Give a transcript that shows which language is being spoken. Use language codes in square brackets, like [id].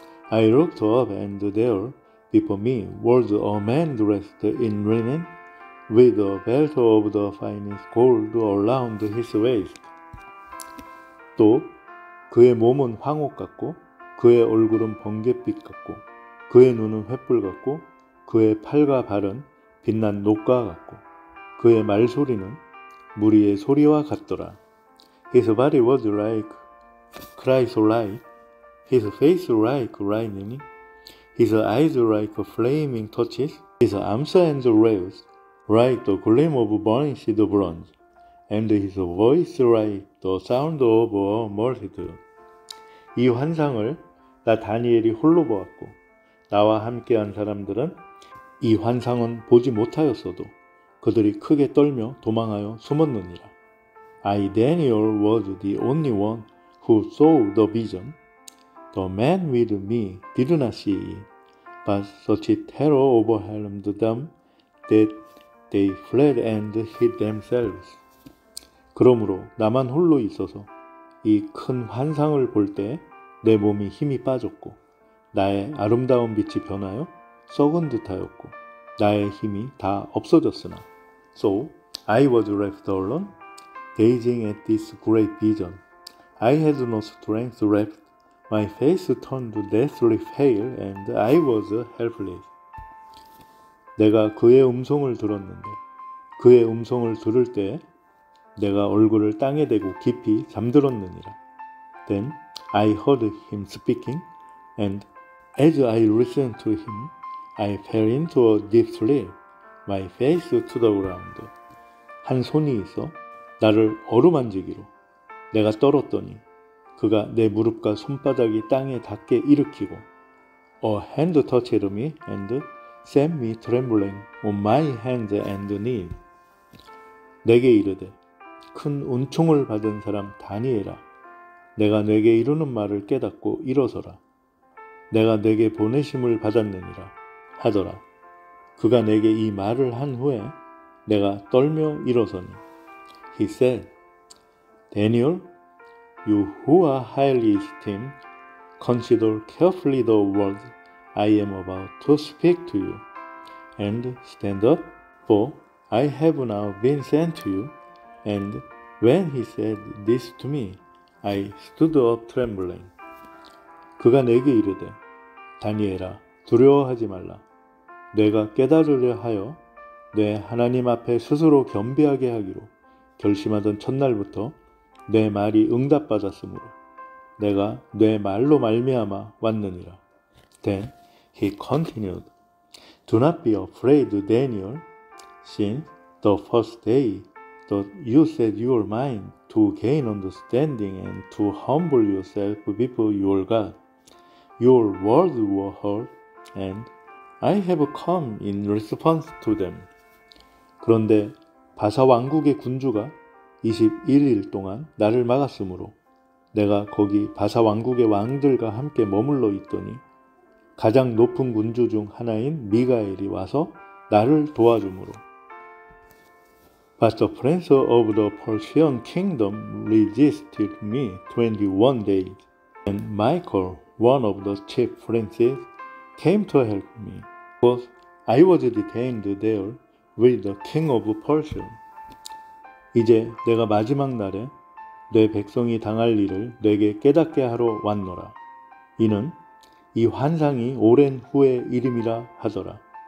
[en] I looked up and there before me was a man dressed in linen with a belt of the finest gold around his waist. [ko] 또 그의 몸은 황옥 같고 그의 얼굴은 번갯빛 같고 그의 눈은 횃불 같고 그의 팔과 발은 빛난 녹과 같고 그의 말소리는 무리의 소리와 같더라. [en] His body was like chrysolite, his face like lightning, his eyes like flaming torches, his arms and legs like the gleam of burnished bronze, and his voice like the sound of a multitude. [ko] 이 환상을 나 다니엘이 홀로 보았고 나와 함께한 사람들은 이 환상은 보지 못하였어도 그들이 크게 떨며 도망하여 숨었느니라. [en] I, Daniel, was the only one who saw the vision. The man with me did not see it, but such terror overwhelmed them that they fled and hid themselves. [ko] 그러므로 나만 홀로 있어서 이 큰 환상을 볼 때 내 몸이 힘이 빠졌고 나의 아름다운 빛이 변하여 썩은 듯하였고 나의 힘이 다 없어졌으나 [en] So, I was left alone, gazing at this great vision. I had no strength left, my face turned deathly pale, and I was helpless. [ko] 내가 그의 음성을 들었는데, 그의 음성을 들을 때, 내가 얼굴을 땅에 대고 깊이 잠들었느니라. [en] Then, I heard him speaking, and as I listened to him, I fell into a deep sleep. My face to the ground. [ko] 한 손이 있어 나를 어루만지기로 내가 떨었더니 그가 내 무릎과 손바닥이 땅에 닿게 일으키고 [en] A hand touched me and sent me trembling on my hands and knees. [ko] 내게 이르되 큰 은총을 받은 사람 다니엘아 내가 내게 이르는 말을 깨닫고 일어서라. 내가 내게 보내심을 받았느니라 하더라. 그가 내게 이 말을 한 후에 내가 떨며 일어서니 [en] He said, Daniel, you who are highly esteemed, consider carefully the words I am about to speak to you, and stand up, for I have now been sent to you. And when he said this to me, I stood up trembling. [ko] 그가 내게 이르되, 다니엘아, 두려워하지 말라. 내가 깨달으려 하여 내 하나님 앞에 스스로 겸비하게 하기로 결심하던 첫날부터 내 말이 응답받았으므로 내가 내 말로 말미암아 왔느니라. [en] Then he continued, Do not be afraid, Daniel, since the first day that you set your mind to gain understanding and to humble yourself before your God, your words were heard and I have come in response to them. [ko] 그런데 바사 왕국의 군주가 21일 동안 나를 막았으므로 내가 거기 바사 왕국의 왕들과 함께 머물러 있더니 가장 높은 군주 중 하나인 미가엘이 와서 나를 도와주므로 [en] But the prince of the Persian kingdom resisted me 21 days. And Michael, one of the chief princes, came to help me, because I was detained there with the king of Persia. [ko] 이제 내가 마지막 날에 내 백성이 당할 일을 내게 깨닫게 하러 왔노라. 이는 이 환상이 오랜 후의 일임이라 하더라.